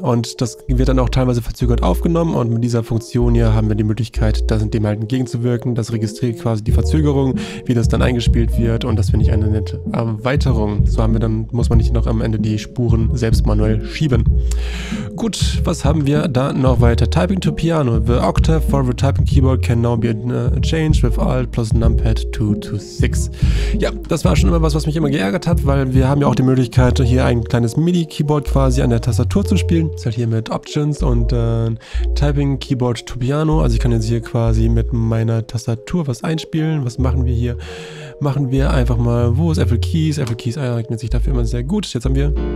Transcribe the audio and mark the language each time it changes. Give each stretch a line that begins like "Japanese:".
German: Und das wird dann auch teilweise verzögert aufgenommen und mit dieser Funktion hier haben wir die Möglichkeit, das dem halt entgegenzuwirken. Das registriert quasi die Verzögerung, wie das dann eingespielt wird und das finde ich eine nette Erweiterung. So haben wir dann, muss man nicht noch am Ende die Spuren selbst manuell schieben. Gut, was haben wir da noch weiter?
English: Typing to piano. The octave for the typing keyboard can now be changed with Alt plus Numpad 2 to 6.
German: Ja, das war schon immer was mich immer geärgert hat, weil wir haben ja auch die Möglichkeit, hier ein kleines MIDI-Keyboard quasi an der Tastatur zu spielen. Das ist halt hier mit Options und Typing Keyboard to Piano. Also ich kann jetzt hier quasi mit meiner Tastatur was einspielen. Was machen wir hier? Machen wir einfach mal, wo ist Apple Keys? Apple Keys eignet sich dafür immer sehr gut. Jetzt haben wir